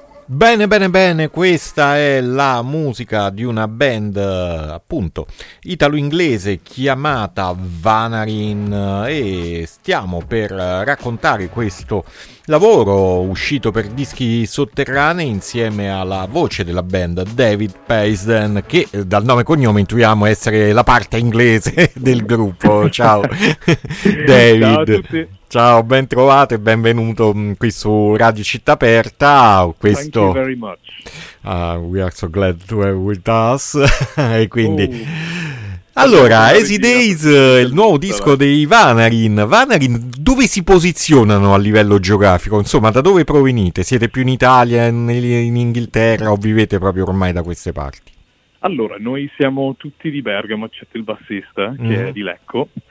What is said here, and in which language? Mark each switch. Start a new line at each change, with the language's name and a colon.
Italian: Bene, bene, bene, questa è la musica di una band, appunto, italo-inglese chiamata Vanarin, e stiamo per raccontare questo lavoro uscito per Dischi Sotterranei insieme alla voce della band, David Paisden, che dal nome e cognome intuiamo essere la parte inglese del gruppo. Ciao David. Ciao a tutti. Ciao, ben trovato e benvenuto qui su Radio Città Aperta. Questo...
English: Thank you very much. We are so glad to have with us.
Italian: E quindi Allora, Easy Days, il nuovo disco dei Vanarin. Vanarin, dove si posizionano a livello geografico? Insomma, da dove provenite? Siete più in Italia, in Inghilterra o vivete proprio ormai da queste parti? Allora, noi siamo tutti di Bergamo, eccetto il bassista, che è di Lecco.